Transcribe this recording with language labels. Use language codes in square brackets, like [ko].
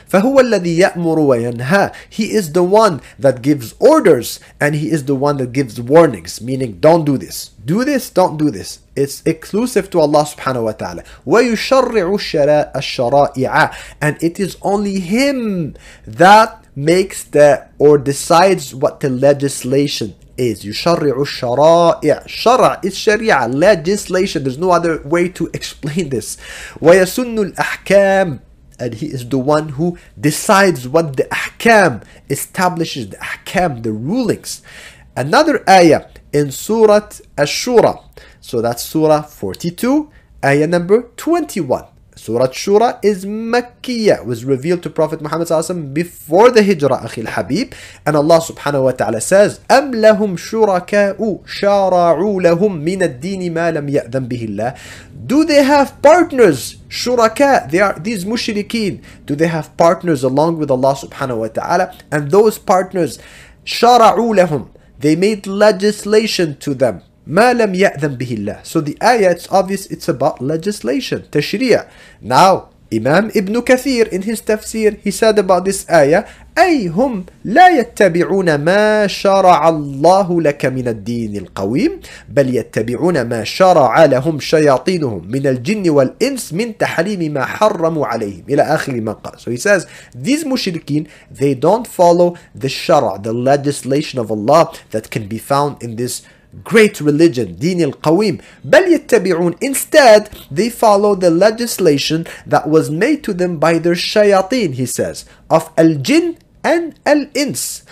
[ar] فَهُوَ الَّذِي يَأْمُرُ وَيَنْهَى, [en] he is the one that gives orders and he is the one that gives warnings, meaning don't do this, do this, don't do this. It's exclusive to Allah subhanahu wa ta'ala. [ar] وَيُشَرِّعُ الشَّرَائِعَ, [en] and it is only him that makes the, or decides what the legislation is. [ar] يُشَرِّعُ الشَّرَائِعَ, شَرَع [en] is [ar] شَرِيعَ, [en] legislation. There's no other way to explain this. [ar] وَيَسُنُّ الْأَحْكَامِ, [en] and he is the one who decides what the ahkam, establishes the ahkam, the rulings. Another ayah in Surah Ash-Shura. So that's Surah 42, ayah number 21. Surah Shura is Makkiya, was revealed to Prophet Muhammad sallallahu alaihi wasallam before the Hijrah, Akhil Habib. And Allah subhanahu wa ta'ala says, [ar] أَمْ لَهُمْ شُرَكَاءُ شَارَعُوا لَهُمْ مِنَ الدِّينِ مَا لَمْ يَأْذَنْ بِهِ اللَّهِ, [en] do they have partners, Shuraka, these mushrikeen, do they have partners along with Allah subhanahu wa ta'ala? And those partners, [ar] shara'u lahum, [en] they made legislation to them. [ar] Ma lam ya'dhan bihi Allah. [en] So the ayah, it's obvious, it's about legislation, tashri'ah. Now, Imam Ibn Kathir in his tafsir, he said about this ayah, [ar] أيهم لا يتبعون ما شرع الله لك من الدين القويم بل يتبعون ما شرع لهم شياطينهم من الجن والإنس من تحريم ما حرموا عليهم إلى آخر ما قال. [en] So he says, these mushrikeen, they don't follow the shara, the legislation of Allah that can be found in this great religion, Din al-Qawim. [ar] بَلْ يَتَّبِعُونَ [en] Instead, they follow the legislation that was made to them by their shayateen, he says, of al-jinn and al-ins.